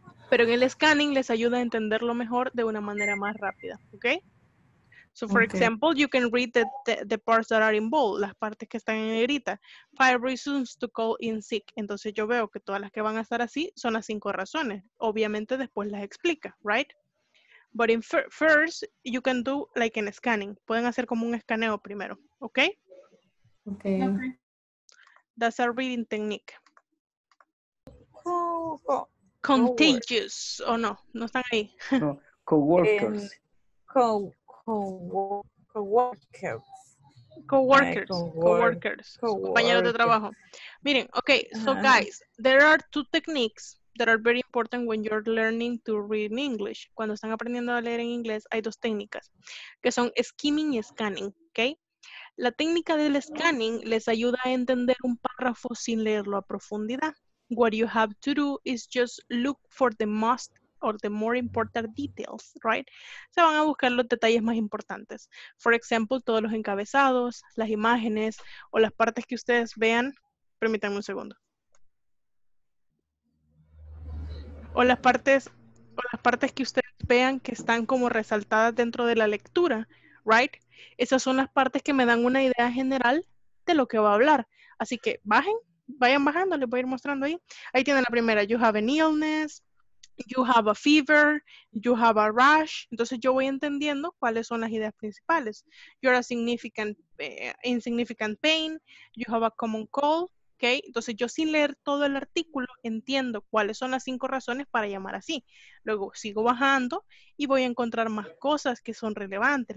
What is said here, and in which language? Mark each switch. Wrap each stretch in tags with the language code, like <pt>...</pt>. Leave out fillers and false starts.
<es>Pero en el scanning les ayuda a entenderlo mejor de una manera más rápida, ¿ok?</es> <en>So, for example, you can read the parts that are in bold,</en> <es>las partes que están en negrita.</es> <en>5 reasons to call in sick.</en> <es>Entonces, yo veo que todas las que van a estar así son las 5 razones. Obviamente, después las explica, right?</es> <en>But in first, you can do like an scanning.</en> <es>Pueden hacer como un escaneo primero, okay?</es> <en>Okay. That's a reading technique. Co-co-</en> <es>contagious. O oh, no, no están ahí.</es> <en>No, co-workers. Co-workers.</en> <es>Compañeros de trabajo.</es> <en>Miren, okay, so guys, there are 2 techniques that are very important when you're learning to read in English.</en> <es>Cuando están aprendiendo a leer en inglés, hay 2 técnicas, que son skimming y scanning, okay? La técnica del scanning les ayuda a entender un párrafo sin leerlo a profundidad.</es> <en>What you have to do is just look for the most or the more important details, right?</en> <es>Se van a buscar los detalles más importantes. For example, todos los encabezados, las imágenes, o las partes que ustedes vean. Permítanme un segundo. O las partes que ustedes vean que están como resaltadas dentro de la lectura, right? Esas son las partes que me dan una idea general de lo que va a hablar. Así que bajen, vayan bajando, les voy a ir mostrando ahí. Ahí tienen la primera,</es> <en>you have an illness. You have a fever, you have a rash.</en> <es>Entonces yo voy entendiendo cuáles son las ideas principales.</es> <en>You're a significant, insignificant pain. You have a common cold.</en> <es>Okay? Entonces yo sin leer todo el artículo entiendo cuáles son las 5 razones para llamar así. Luego sigo bajando y voy a encontrar más cosas que son relevantes.</es>